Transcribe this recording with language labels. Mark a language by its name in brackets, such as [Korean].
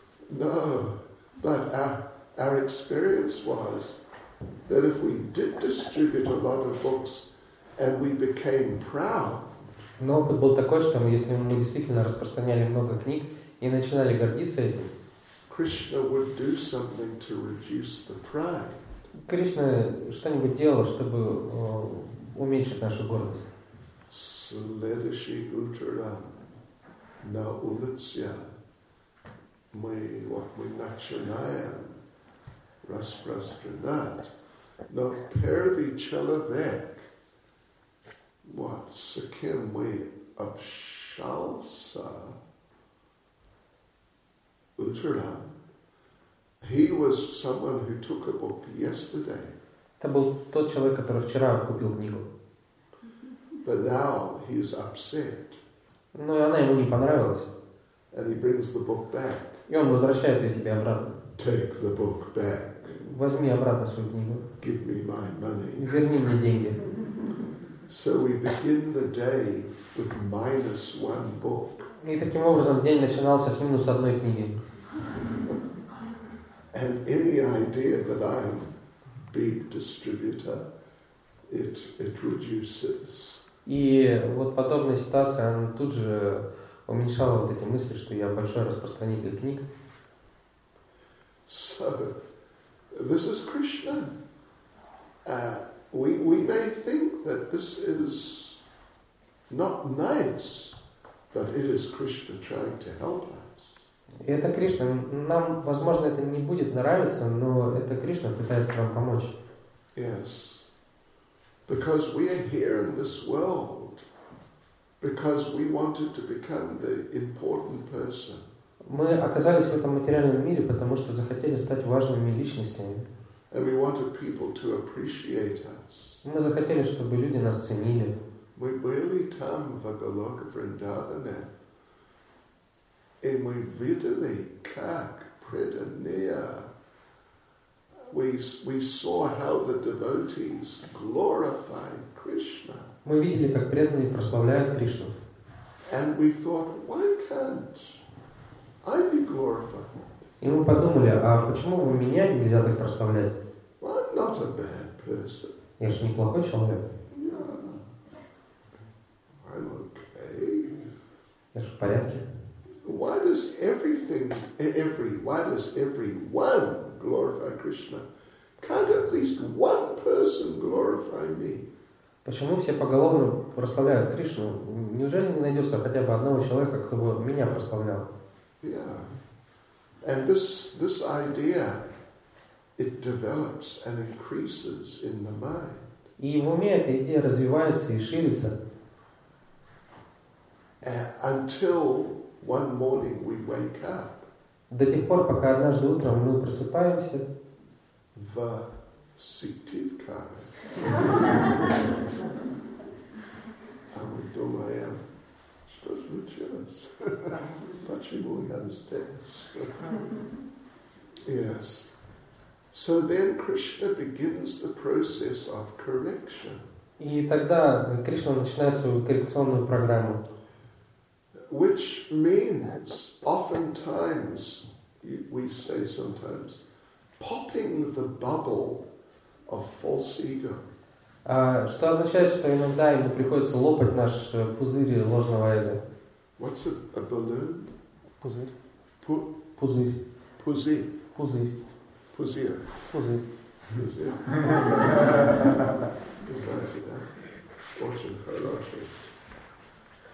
[English] No, but our experience was that if we did distribute a lot of books and we became proud. [Russian] Но опыт был такой, что если мы действительно распространяли много книг и начинали гордиться этим, [English] Krishna would do something to reduce the pride. [Russian] Кришна что-нибудь делал, чтобы уменьшить нашу гордость. Следующий утром на улице мы начинаем распространять. Но первый человек, с кем мы общался утром, [English] he was someone who took a book yesterday. [Russian] Это был тот человек, который вчера купил книгу. [English] But now he is upset. [Russian] Но она ему не понравилась. [English] And he brings the book back. [Russian] И он возвращает ее тебе обратно. [English] Take the book back. [Russian] Возьми обратно свою книгу. [English] Give me my money. [Russian] Верни мне деньги. [English] So we begin the day with minus one book. [Russian] И таким образом день начинался с минус одной книги. [English] And any idea that I'm big distributor, it reduces. [Russian] И вот подобная ситуация, она тут же уменьшала вот эти мысли, что я большой распространитель книг. [English] So, this is Krishna. We may think that this is not nice, but it is Krishna trying to help us. [Russian] И это Кришна. Нам, возможно, это не будет нравиться, но это Кришна пытается вам помочь. [English] Yes. Because we are here in this world. Because we wanted to become the important person. [Russian] Мы оказались в этом материальном мире, потому что захотели стать важными личностями. [English] And we wanted people to appreciate us. [Russian] Мы захотели, чтобы люди нас ценили. Мы были там, в Голока Вриндаване. И мы видели, как преданные. [English] We saw how the devotees glorified Krishna. [Russian] Мы видели, как преданные прославляют Кришну. [English] And we thought, why can't I be glorified? [Russian] И мы подумали, а почему бы меня нельзя так прославлять? [English] Well, I'm not a bad person. [Russian] Я же неплохой человек. [English] Yeah. I'm okay. [Russian] Я же в порядке. [English] Why does everyone glorify Krishna? Can't at least one person glorify me? [Russian] Почему все поголовно прославляют Кришну? Неужели не найдется хотя бы одного человека, кто бы меня прославлял? [English] Yeah. And this idea, it develops and increases in the mind. [Russian] И в уме эта идея развивается и ширится. [English] Until one morning we wake up. [Russian] До тех пор, пока однажды утром мы просыпаемся. В Сыктывкаре. А мы думаем, что случилось? Почему я здесь? Yes. [English] So then Krishna begins the process of correction. [Russian] И тогда Кришна начинает свою коррекционную программу. [English] Which means, oftentimes, we say sometimes, popping the bubble of false ego. [Russian] Что означает, что иногда ему приходится лопать наш пузырь ложного эго? [English] What's a balloon? [Russian] Пузырь. Пузырь. Пузырь. Пузырь. Пузырь. Пузырь. Знаете, да? Очень хороший.